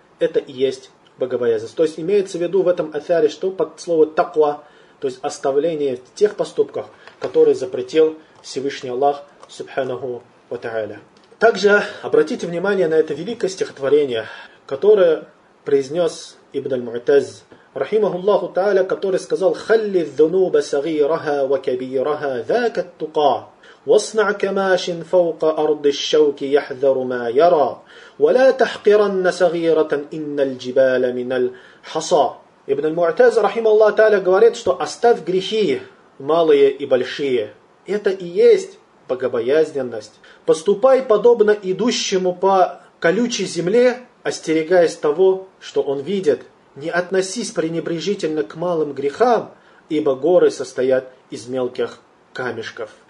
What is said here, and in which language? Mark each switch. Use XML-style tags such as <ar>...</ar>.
<ru>Это и есть богобоязненность. То есть имеется в виду в этом афяре, что под слово «таква», то есть оставление тех поступков, которые запретил Всевышний Аллах Субханаху ва Тааля. Также обратите внимание на это великое стихотворение, которое произнес Ибн Аль-Мутазз, рахимахуллаху Тааля, который сказал:</ru> <ar>«Халли дзунуба сагираха ва кабираха, дзакат тука. واصنع كماش فوق أرض الشوك يحذر ما يرى ولا تحقرن صغيرة إن الجبال من الحصى».</ar> <ru>Ибн Аль-Мутазз, рахималлаху тааля, говорит, что оставь грехи малые и большие. Это и есть богобоязненность. Поступай подобно идущему по колючей земле, остерегаясь того, что он видит. Не относись пренебрежительно к малым грехам, ибо горы состоят из мелких камешков.</ru>